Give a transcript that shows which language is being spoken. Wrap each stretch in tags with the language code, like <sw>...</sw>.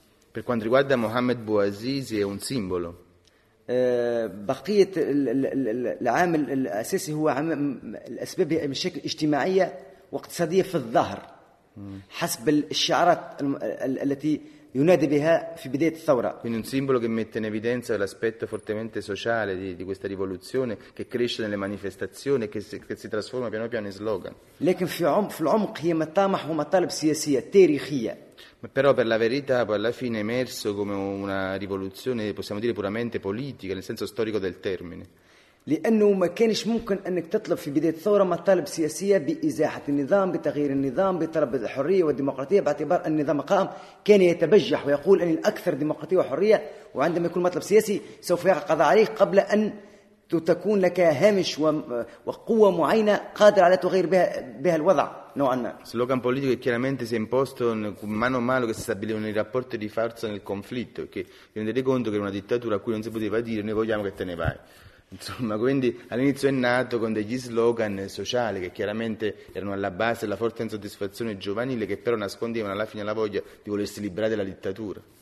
<it>Per quanto riguarda Mohamed Bouazizi è un simbolo.</it> <ar>بقية العامل الأساسي هو الأسباب هي مشاكل اجتماعية واقتصادية في الظهر حسب الشعارات التي ينادي بها في بداية الثورة.</ar> <it>Quindi un simbolo che mette in evidenza l'aspetto fortemente sociale di questa rivoluzione che cresce nelle manifestazioni che si trasforma piano piano in slogan.</it> <ar>لكن في العمق هي مطامح ومطالب سياسية تاريخية.</ar> <it>Però per la verità poi alla fine è emerso come una rivoluzione possiamo dire puramente politica nel senso storico del termine.</it> <ar>لأنه ما كانش ممكن أنك تطلب في بداية الثورة مطالب سياسية بإزاحة النظام بتغيير النظام بطلب الحرية والديمقراطية باعتبار أن النظام قام كان يتبجح ويقول أن الأكثر ديمقراطية وحرية وعندما يكون مطلب سياسي سوف يقع القضاء عليه قبل أن تكون لك هامش وقوة معينة قادرة على تغير بها الوضع.</ar> <it>No, slogan politico che chiaramente si è imposto mano a mano che si stabilivano i rapporti di forza nel conflitto, perché vi rendete conto che era una dittatura a cui non si poteva dire noi vogliamo che te ne vai, insomma, quindi all'inizio è nato con degli slogan sociali che chiaramente erano alla base della forte insoddisfazione giovanile che però nascondevano alla fine la voglia di volersi liberare dalla dittatura.</it>